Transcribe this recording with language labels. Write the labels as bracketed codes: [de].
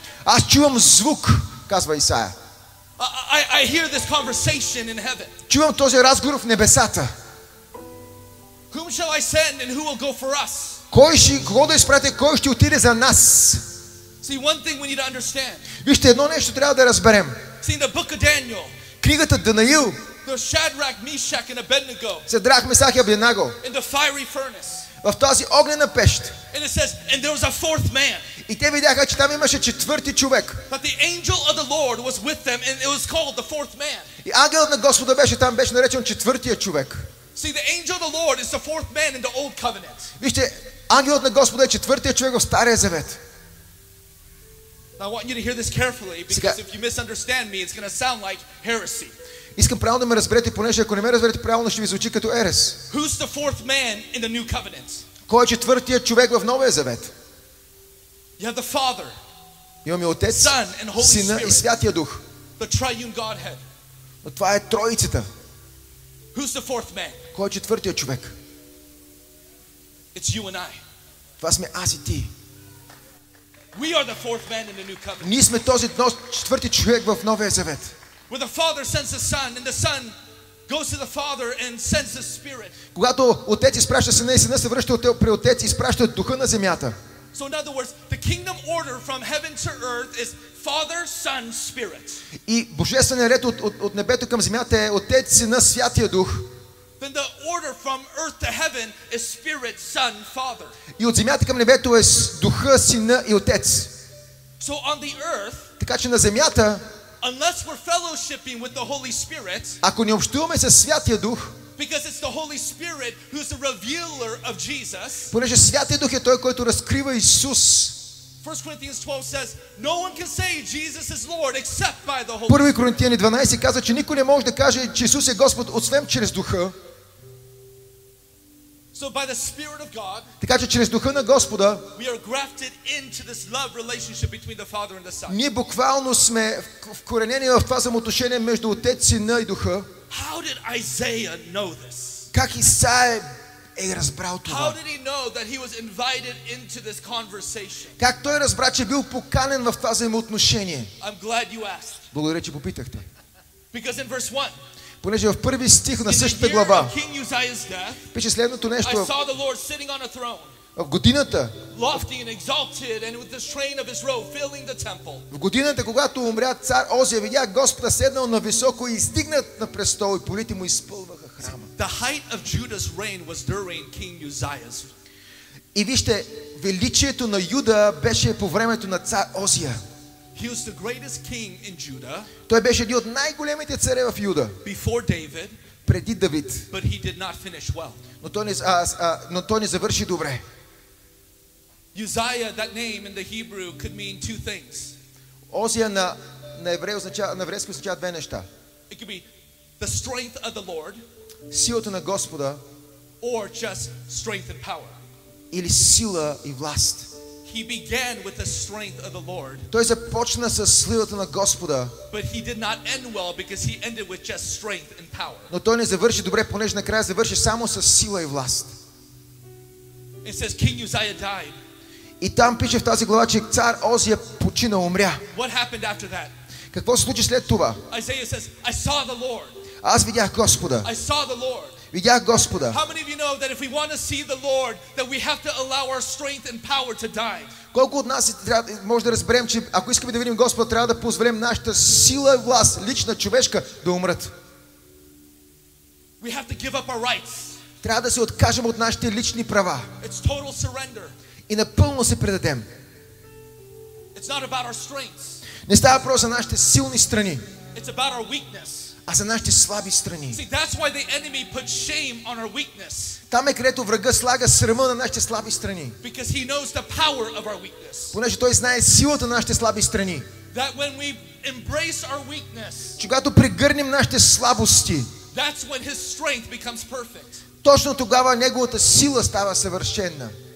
[bg] Аз чувам звук, казва Исаия. [en] I hear this conversation in heaven. [bg] Чувам този разговор в небесата. [en] whom shall I send and who will go for us? [bg] Кой ще кого да изпратя, кой ще отиде за нас? [en] See, one thing we need to understand. [bg] Вижте, едно нещо трябва да разберем. [en] See, the book of Daniel. [bg] Книгата Даниил. [en] The Shadrach, Meshach and Abednego. [bg] Седрах, Месах и Абеднаго. [en] In the fiery furnace. [bg] В тази огнена пещ. [en] And it says, and there was a fourth man. [bg] И те видяха, че там имаше четвърти човек. [en] But the angel of the Lord was with them and it was called the fourth man. [bg] И ангел на Господа беше там, беше наречен четвъртия човек. [en] See, the angel of the Lord is the fourth man in the old covenant. [bg] Вижте, ангелът на Господа е четвъртия човек в Стария Завет. [en] Now I want you to hear this carefully because if you misunderstand me, it's going to sound like heresy. [bg] Искам правилно да ме разберете, понеже ако не ме разберете правилно, ще ви звучи като ерес. [en] Who's the fourth man in the new covenant? [bg] Кой е четвъртият човек в Новия Завет? [en] You have the Father. [bg] Имаме Отец, [en] Son and Holy Spirit. [bg] Сина и Святия Дух. [en] The triune Godhead. [bg] Но това е Троицата. [en] Who's the fourth man? [bg] Кой е четвъртият човек? [en] It's you and I. [bg] Това сме аз и ти. [en] We are the fourth man in the new covenant. [bg] Ние сме този четвърти човек в Новия Завет. [en] Where the Father sends the Son and the Son goes to the Father and sends the Spirit. [bg] Когато Отец изпраща Сина и Сина се връща при Отец и изпраща Духа на земята. [en] So in other words, the kingdom order from heaven to earth is Father, Son, Spirit. [bg] И божествения ред от небето към земята е Отец, Сина, Святия Дух. [en] Then the order from earth to heaven is Spirit, Son, Father. [bg] И от земята към небето е Духа, Сина и Отец. [en] So on the earth, [bg] така че на земята, [en] unless we're fellowshipping with the Holy Spirit, [bg] ако не общуваме със Святия Дух, [en] because it's the Holy Spirit who's the revealer of Jesus, [bg] понеже Святия Дух е той, който разкрива Исус. [en] 1 Corinthians 12 says, no one can say Jesus is Lord except by the Holy Spirit. [bg] 1 Коринтияни 12 казва, че никой не може да каже, че Исус е Господ, освен чрез Духа. [en] So by the Spirit of God, [bg] така че чрез Духа на Господа, [en] we are grafted into this love relationship between the Father and the Son. [bg] Ние буквално сме вкоренени в това взаимоотношение между Отец, Сина и Духа. [en] How did Isaiah know this? [bg] Как Исаия е разбрал това? [en] How did he know that he was invited into this conversation? [bg] Как той разбра, че бил поканен в това взаимоотношение? [en] I'm glad you asked. [bg] Благодаря, че попитахте. [en] Because in verse 1, [bg] понеже в първи стих на същата глава пише следното нещо. [en] I saw the Lord sitting on a throne. [bg] В годината, [en] lofty and exalted and with the train of his robe filling the temple. [bg] В годината, когато умря цар Озия, видях Господа седнал на високо и издигнат на престол и полите му изпълваха храма. [en] The height of Judah's reign was during King Uzziah's. [bg] И вижте, величието на Юда беше по времето на цар Озия. [en] He was the greatest king in Judah. [bg] Той беше един от най-големите царе в Юда. [en] Before David. [bg] Преди Давид. [en] But he did not finish well. [bg] Но той не завърши добре. [en] Uzziah, that name in the Hebrew could mean two things. [bg] Озия на еврейски означава две неща. [en] It could be the strength of the Lord. [bg] Силата на Господа. [en] Or just strength and power. [bg] Или сила и власт. [en] He began with the strength of the Lord. [bg] Той започна с силата на Господа. [en] But he did not end well because he ended with just strength and power. [bg] Но той не завърши добре, понеже накрая завърши само с сила и власт. [en] It says King Uzziah died. [bg] И там пише в тази глава, че цар Озия почина, умря. [en] What happened after that? [bg] Какво се случи след това? [en] Isaiah says, I saw the Lord. [bg] Аз видях Господа. [en] I saw the Lord. [bg] Видях Господа. [en] How many of you know that if we want to see the Lord, that we have to allow our strength and power to die? [bg] Колко от нас може да разберем, че ако искаме да видим Господа, трябва да позволим нашата сила и власт, лична, човешка, да умрат. [en] We have to give up our rights. [bg] Трябва да се откажем от нашите лични права. [en] It's total surrender. [bg] И напълно се предадем. [en] It's not about our strengths. [bg] Не става просто за нашите силни страни. [en] It's about our weakness. [bg] А за нашите слаби страни. [en] See, that's why the enemy put shame on our weakness. [bg] Там е където врагът слага срама на нашите слаби страни. [en] Because he knows the power of our weakness. [bg] Понеже той знае силата на нашите слаби страни. [en] That when we embrace our weakness, [bg] че когато пригърнем нашите слабости, [en] that's when his strength becomes perfect. [bg] Точно тогава неговата сила става съвършена.